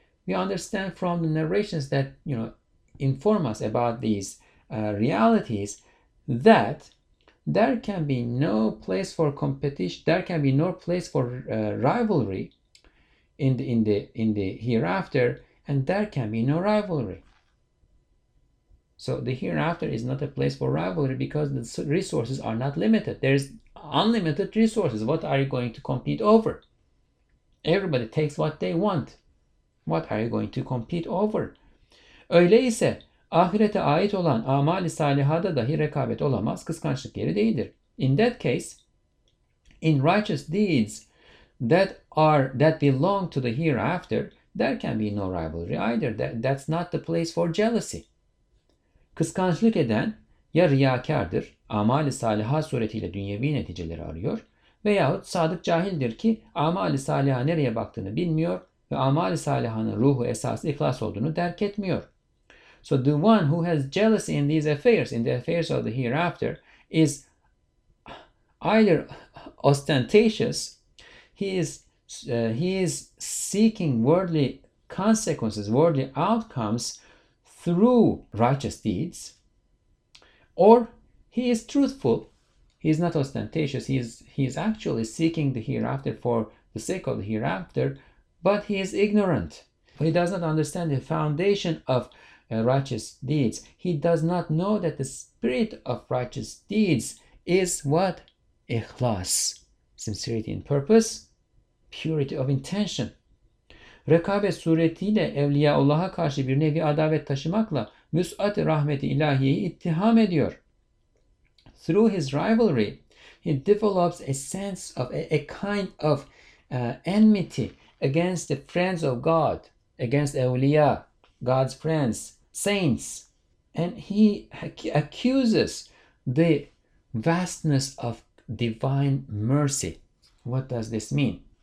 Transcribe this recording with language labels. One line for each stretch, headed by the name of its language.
English: We understand from the narrations that, you know, inform us about these realities that there can be no place for competition, there can be no place for rivalry in the hereafter, and there can be no rivalry. So the hereafter is not a place for rivalry because the resources are not limited. There's unlimited resources. What are you going to compete over? Everybody takes what they want. What are you going to compete over?
Turkish: Öyleyse ahirete ait olan amali salihada dahi rekabet olamaz, kıskançlık yeri değildir.
English: In that case, in righteous deeds that belong to the hereafter, there can be no rivalry either. That's not the place for jealousy.
Turkish: Kıskançlık eden ya riyakardır, amali saliha suretiyle dünyevi neticeleri arıyor, veyahut sadık cahildir ki amali saliha nereye baktığını bilmiyor ve amali salihanın ruhu esas ihlas olduğunu derk etmiyor.
English: So the one who has jealousy in these affairs, in the affairs of the hereafter, is either ostentatious, he is seeking worldly consequences, worldly outcomes through righteous deeds, or he is truthful, he is not ostentatious, he is actually seeking the hereafter for the sake of the hereafter, but he is ignorant. He does not understand the foundation of righteous deeds. He does not know that the spirit of righteous deeds is what? Ikhlas, sincerity in purpose, purity of intention.
Turkish: Rekabet suretiyle Evliyaullah'a karşı bir nevi adavet taşımakla müs'at-ı rahmeti ilahiyeyi ittiham ediyor.
English: Through his rivalry, he develops a sense of a kind of enmity against the friends of God, against Evliya, God's friends, saints. And he accuses the vastness of divine mercy. What does this mean?